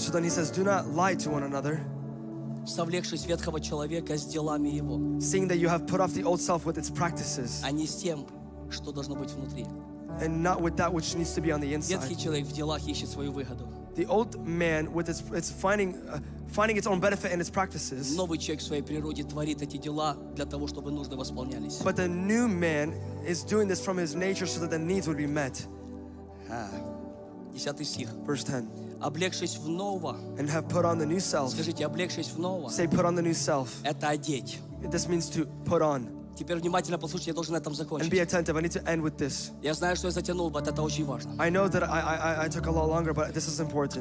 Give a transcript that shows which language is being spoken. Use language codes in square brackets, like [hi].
[en] So then he says, do not lie to one another. [ru] Совлекшись ветхого человека с делами его. [en] Seeing that you have put off the old self with its practices. [ru] А не с тем, что должно быть внутри. [en] And not with that which needs to be on the inside. [ru] Ветхий человек в делах ищет свою выгоду. [en] The old man with its finding its own benefit in its practices. [ru] Новый человек в своей природе творит эти дела для того, чтобы нужды восполнялись. [en] But the new man is doing this from his nature so that the needs would be met. [ru] 10 стих. [en] Verse 10. [ru] Облегшись в ново. [en] And have put on the new self. [ru] Скажите, облегшись в ново. [en] Say, put on the new self. [ru] Это одеть. [en] This means to put on. [ru] Теперь внимательно послушайте, я должен на этом закончить. [en] And be attentive. I need to end with this. [ru] Я знаю, что я затянул, [en] but [ru] это очень важно. [en] I know that I took a lot longer, but this is important.